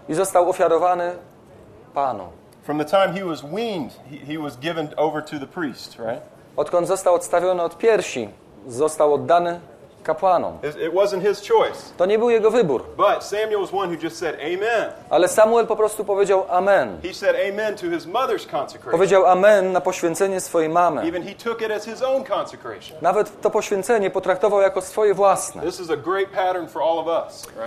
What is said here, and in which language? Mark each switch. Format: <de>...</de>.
<pl>I został ofiarowany Panu.</pl> <en>From the time he was weaned, he was given over to the priest, right?</en> <pl>Odkąd został odstawiony od piersi, został oddany kapłanom.</pl> <en>It wasn't his choice.</en> <pl>To nie był jego wybór.</pl> <en>But Samuel was one who just said amen.</en> <pl>Ale Samuel po prostu powiedział amen.</pl> <en>He said amen to his mother's consecration.</en> <pl>Powiedział amen na poświęcenie swojej mamy.</pl> <en>Even he took it as his own consecration.</en> <pl>Nawet to poświęcenie potraktował jako swoje własne.</pl> <en>This is a great pattern for all of us, right?</en>